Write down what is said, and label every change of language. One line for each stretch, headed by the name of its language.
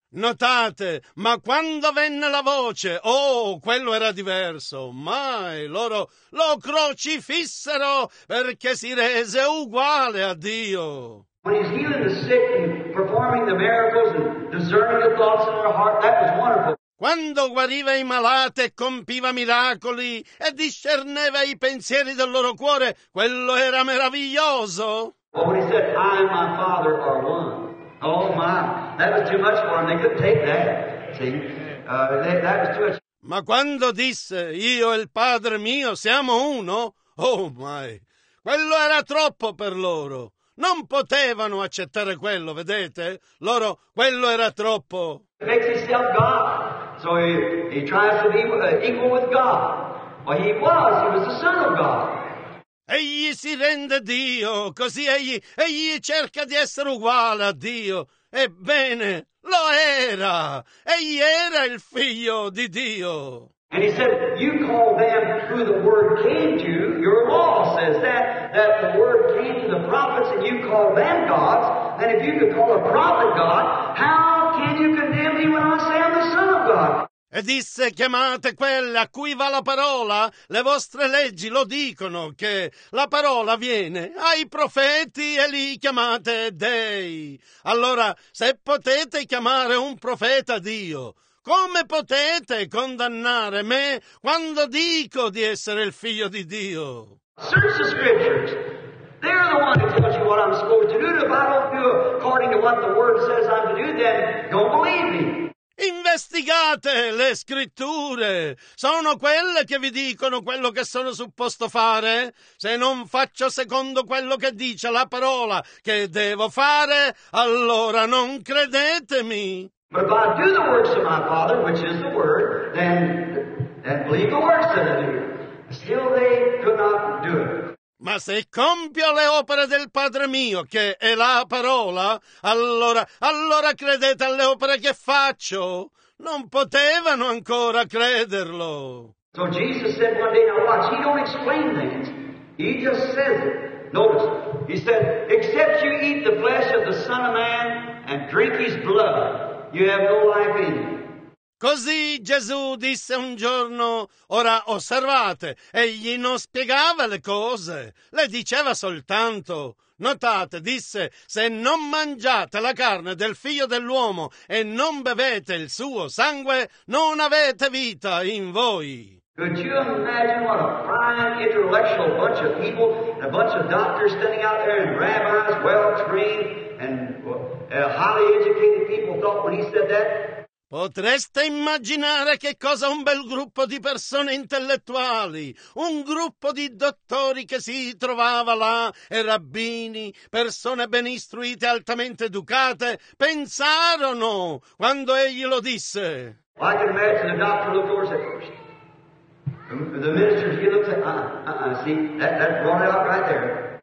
Italian: Notate, ma quando venne la voce, oh, quello era diverso. Mai loro lo crocifissero perché si rese uguale a Dio.
English: When he's healing the sick and performing the miracles and discerning the thoughts in their heart, that was wonderful.
Italian: Quando guariva i malati e compiva miracoli e discerneva i pensieri del loro cuore, quello era meraviglioso.
English: Well, when he said, I and my father are one. Oh my, that was too much for him. They couldn't take that. See, that was too much.
Italian: Ma quando disse, io e il padre mio siamo uno,
English: oh my,
Italian: quello era troppo per loro. Non potevano accettare quello, vedete? Loro, quello era troppo.
English: He makes himself God. So he tries to be equal with God. Well, he was the son of God.
Italian: Egli si rende Dio, così egli cerca di essere uguale a Dio. Ebbene, lo era. Egli era il figlio di Dio.
English: And he said, you call them who the word came to, your law says that the word came to the prophets and you call them gods. And if you could call a prophet God, how can you condemn me when I say I'm the son of God?
Italian: E disse, chiamate quelle a cui va la parola, le vostre leggi lo dicono che la parola viene ai profeti e li chiamate dei. Allora, se potete chiamare un profeta Dio, come potete condannare me quando dico di essere il figlio di Dio?
English: Search the scriptures. They're the one who tells you what I'm supposed to do. If I don't do according to what the word says I'm to do, then don't believe me.
Italian: Investigate le scritture. Sono quelle che vi dicono quello che sono supposto fare? Se non faccio secondo quello che dice la parola che devo fare, allora non credetemi.
English: But if I do the works of my Father, which is the Word, then believe the works that I do. Still they could not do it.
Italian: Ma se compio le opere del Padre mio, che è la parola, allora credete alle opere che faccio. Non potevano ancora crederlo.
English: So Jesus said one day, now watch, he don't explain things. He just says it. Notice, he said, except you eat the flesh of the Son of Man and drink his blood, you have no life in you.
Italian: Così Gesù disse un giorno, ora osservate, egli non spiegava le cose, le diceva soltanto. Notate, disse, se non mangiate la carne del figlio dell'uomo e non bevete il suo sangue, non avete vita in voi.
English: Could you imagine what a fine intellectual bunch of people, a bunch of doctors standing out there and rabbis, well-trained and highly educated people thought when he said that?
Italian: Potreste immaginare che cosa un bel gruppo di persone intellettuali, un gruppo di dottori che si trovava là, e rabbini, persone ben istruite, altamente educate, pensarono quando egli lo disse.
English: Well, I can imagine the doctor looked over and said, the minister, he looked at, see, that's going out right there.